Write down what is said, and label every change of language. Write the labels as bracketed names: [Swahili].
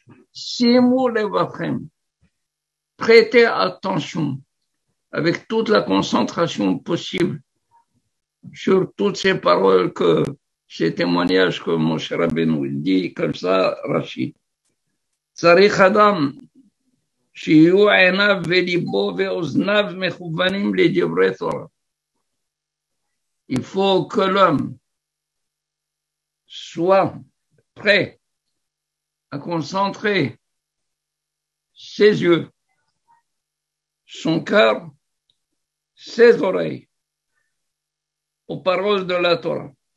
[Hebrew] Simu levachem. [French] Prêtez attention avec toute la concentration possible sur toutes ces paroles que ces témoignages que Moshe Rabbeinu dit comme ça, Rachid. [Hebrew] צריך אדם שיהיו עיניו וליבו ואוזניו מכוונים לדברי תורה. [French] Il faut que l'homme soit prêt à concentrer ses yeux, son cœur, ses oreilles aux paroles de la Torah.